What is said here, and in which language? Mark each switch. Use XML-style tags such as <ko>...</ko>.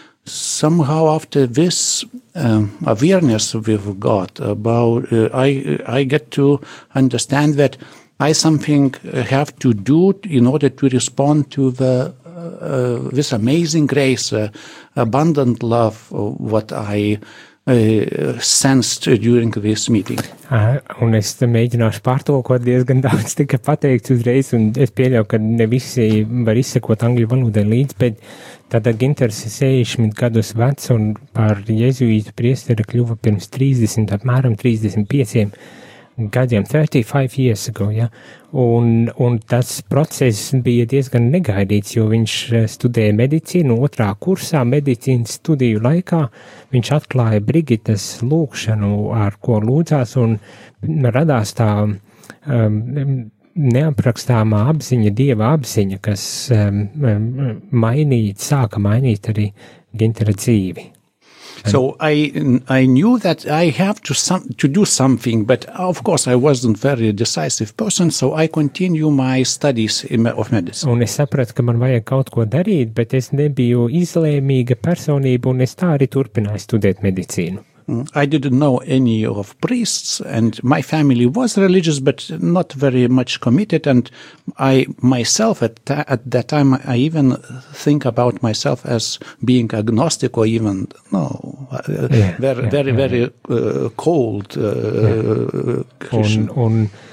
<en>somehow after this awareness with God, about I get to understand that I something have to do in order to respond to the this amazing grace, abundant love, what I sensed during this meeting.</en> <lv>Un es mēģināšu pārtulkot, diezgan daudz tika pateikts uzreiz, un es pieļauju, ka ne visi var izsakot angļu valodē līdz, bet tad Ginteris 60 gadus vec un par jezuītu priesteri kļuva pirms 30, apmēram 35 gadiem,</lv> <en>35 years ago,</en> <lv>ja? Un tas process bija diezgan negaidīts, jo viņš studēja medicīnu otrā kursā, medicīnas studiju laikā viņš atklāja Brigitas lūkšanu, ar ko lūdzās, un radās tā neaprakstāmā apziņa, dieva apziņa, kas sāka mainīt arī Gintera dzīvi.</lv> <en>So I knew that I have to do something, but of course I wasn't very decisive person, so I continue my studies of medicine.</en> <lv>Un es sapratu, ka man vajag kaut ko darīt, bet es nebiju izlēmīga personība, un es tā arī turpināju studēt medicīnu.</lv> <en>I didn't know any of priests, and my family was religious, but not very much committed. And I myself at that time, I even think about myself as being agnostic or even, very cold Christian.</en>